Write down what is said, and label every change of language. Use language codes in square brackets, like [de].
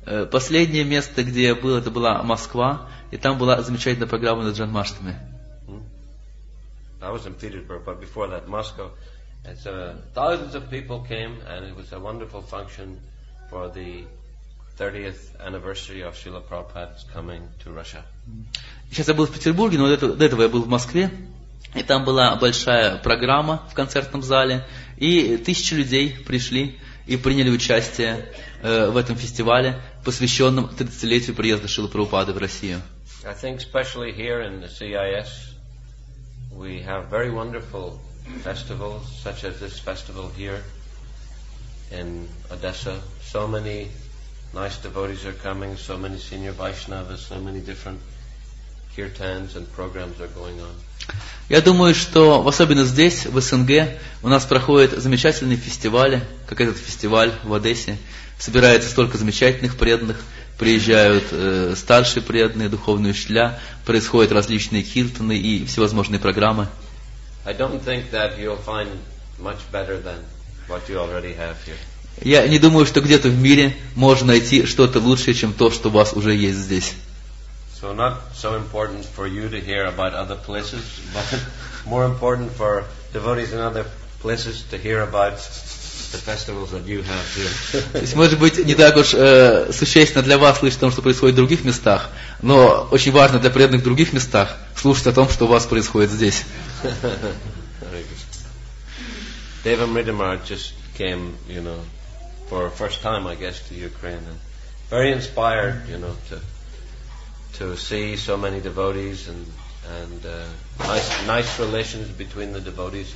[ru] Последнее место, где я был, это была Москва, и там была замечательная программа на Джанмаштами. [en] I was in Petersburg, but before that, Moscow. And so thousands of people came, and it was a wonderful function for the 30th anniversary of Srila Prabhupada's coming to Russia. [ru] Сейчас я был в Петербурге, но до этого я был в Москве, и там была большая программа в концертном зале, и тысячи людей пришли и приняли участие в этом фестивале, посвященном 30-летию приезда Шрилы Прабхупады в Россию. [en] I think especially here in the CIS we have very wonderful festivals, such as this festival here in Odessa. So many nice devotees are coming, so many senior Vaishnavas, so many different kirtans and programs are going on. [ru] Я думаю, что в особенно здесь, в СНГ, у нас проходят замечательные фестивали, как этот фестиваль в Одессе. Собирается столько замечательных преданных, приезжают старшие преданные, духовные учителя, происходят различные киртаны и всевозможные программы. [en] I don't think that you'll find much better than what you already have here. [ru] Я не думаю, что где-то в мире можно найти что-то лучшее, чем то, что у вас уже есть здесь. [en] So not so important for you to hear about other places, but more important for devotees in other places to hear about the festivals that you have here. [ru] То есть, может быть, не так уж существенно для вас слышать о том, что происходит в других местах, но очень важно для преданных в других местах слушать о том, что у вас происходит здесь. [en] Дева Мридамар just came, you know, for a first time, I guess, to Ukraine, and very inspired, you know, to see so many devotees and nice relations between the devotees.